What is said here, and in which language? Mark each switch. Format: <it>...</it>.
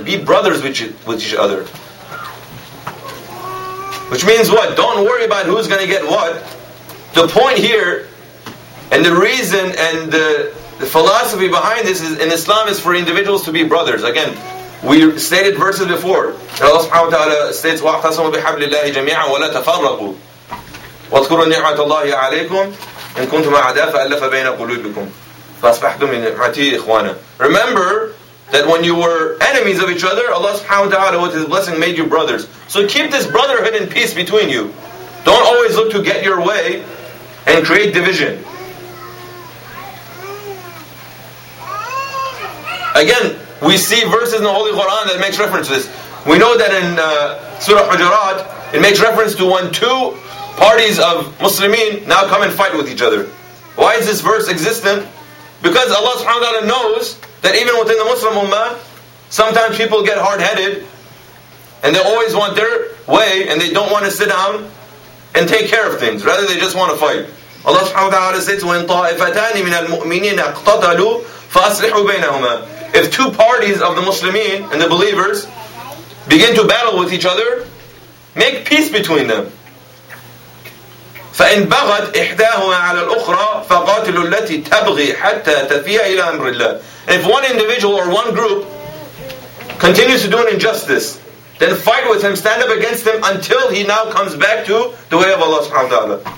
<en>Be brothers with each other. Which means what? Don't worry about who's going to get what. The point here and the reason and the philosophy behind this is in Islam is for individuals to be brothers. Again, we stated verses before. Allah subhanahu wa ta'ala states,</en> <ar>وَاعْتَصِمُوا بِحَبْلِ اللَّهِ جَمِيعًا وَلَا تَفَرَّقُوا وَاذْكُرُوا نِعْمَةَ اللَّهِ عَلَيْكُمْ إِن كُنْتُمْ أَعْدَاءً فَأَلَّفَ بَيْنَ قُلُوبِكُمْ فَأَصْبَحْتُمْ مِنْ نِعْمَتِهِ إِخْوَانًا.</ar> <en>Remember that when you were enemies of each other, Allah subhanahu wa ta'ala with His blessing made you brothers. So keep this brotherhood and peace between you. Don't always look to get your way and create division. Again, we see verses in the Holy Quran that makes reference to this. We know that in Surah Hujurat, it makes reference to when two parties of Muslimin now come and fight with each other. Why is this verse existent? Because Allah subhanahu wa ta'ala knows that even within the Muslim Ummah, sometimes people get hard-headed and they always want their way and they don't want to sit down and take care of things. Rather, they just want to fight. Allah subhanahu wa ta'ala says,</en> <ar>وَإِن طَائِفَتَانِ مِنَ الْمُؤْمِنِينَ اَقْتَتَلُوا فَأَصْلِحُوا بَيْنَهُمَا.</ar> <en>If two parties of the Muslimin and the believers begin to battle with each other, make peace between them.</en> <ar>فَإِنْ بَغَتْ إِحْدَاهُمَا عَلَى الْأُخْرَى فَقَاتِلُوا الَّتِي تَبْغِي حَتَّى تَفِيَ إِلَىٰ أَمْرِ اللَّهِ.</ar> <en>And if one individual or one group continues to do an injustice, then fight with him, stand up against him until he now comes back to the way of Allah subhanahu wa ta'ala.</en>